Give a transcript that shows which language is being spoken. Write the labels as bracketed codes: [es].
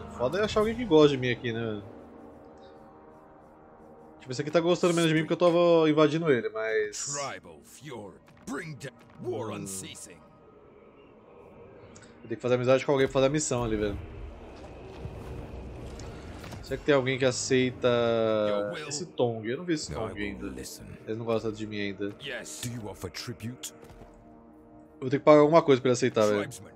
[pt] Foda é achar alguém que gosta de mim aqui, né? Tipo, esse aqui tá gostando menos de mim porque eu tava invadindo ele, mas. Tribal Fjord. [en] Bring down war unceasing. [pt] Tem que fazer amizade com alguém pra fazer a missão ali, velho. Será que tem alguém que aceita esse Tong? Eu não vi esse Tong ainda. Ele não gosta de mim ainda. Eu vou ter que pagar alguma coisa pra ele aceitar, velho.